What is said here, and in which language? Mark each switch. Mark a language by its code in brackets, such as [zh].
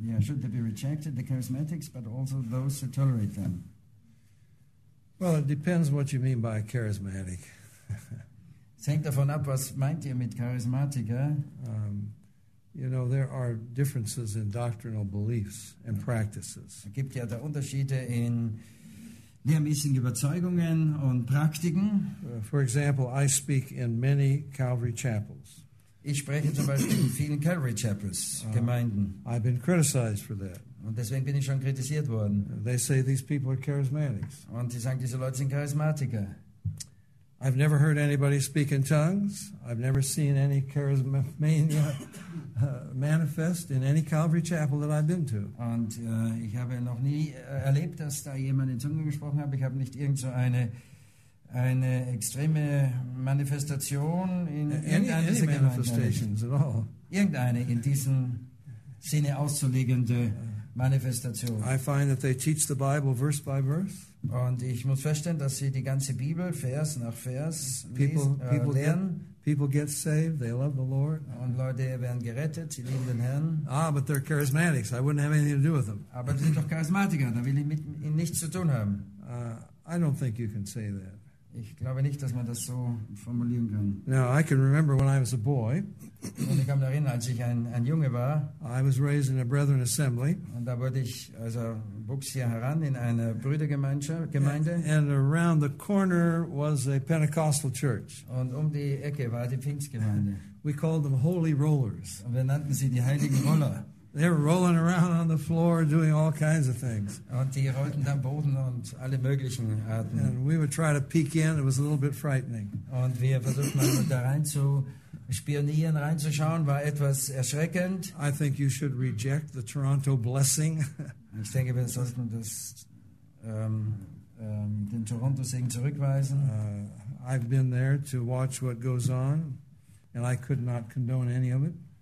[en] Yeah, should they be rejected, the charismatics, but also those that tolerate them? Well, it depends what you mean by charismatic. [de] Es hängt davon ab, was meint ihr mit Charismatiker? [en] You know, there are differences in doctrinal beliefs and practices. [de] Es gibt ja da Unterschiede in lehrmäßigen Überzeugungen und Praktiken. [en] For example, I speak in many Calvary chapels. [de] Ich spreche zum Beispiel in vielen Calvary Chapels, Gemeinden. [en] I've been criticized for that. [de] Und deswegen bin ich schon kritisiert worden. [en] They say these people are charismatics. [de] Und sie sagen, diese Leute sind Charismatiker. [en] I've never heard anybody speak in tongues. I've never seen any charismania manifest in any Calvary chapel that I've been to. [de] Und ich habe noch nie erlebt, dass da jemand in Zungen gesprochen hat. Ich habe nicht irgend so eine extreme Manifestation in irgendeiner [en] Manifestations at all. [de] Irgendeine in diesem Sinne auszulegende Manifestation. [en] I find that they teach the Bible verse by verse. [de] Und ich muss feststellen, dass sie die ganze Bibel Vers nach Vers lernen. [en] People get saved, they love the Lord. [de] Und Leute werden gerettet, sie lieben den Herrn. [en] Ah, but they're charismatics. I wouldn't have anything to do with them. [de] Aber sie sind doch Charismatiker, da will ich mit ihnen nichts zu tun haben. [en] I don't think you can say that. [de] Ich glaube nicht, dass man das so formulieren kann. [en] Now, I can remember when I was a boy. [de] Und ich kann mich erinnern, als ich ein Junge war. [en] I was raised in a brethren assembly. [de] Und da wurde ich, also wuchs hier heran in einer Brüdergemeinschaft, Gemeinde. [en] And around the corner was a Pentecostal church. [de] Und um die Ecke war die Pfingstgemeinde. [en] We called them holy rollers. [de] Und wir nannten sie die heiligen Roller. [en] They were rolling around on the floor doing all kinds of things. [de] Und die rollten dann Boden und alle möglichen Arten. [en] And we would try to peek in. It was a little bit frightening. [de] Und wir versuchten mal da rein zu spionieren, reinzuschauen, war etwas erschreckend. [en] I think you should reject the Toronto blessing. [de] Ich denke, wir sollten das den Toronto-Segen zurückweisen. [en] I've been there to watch what goes on, and I could not condone any of it.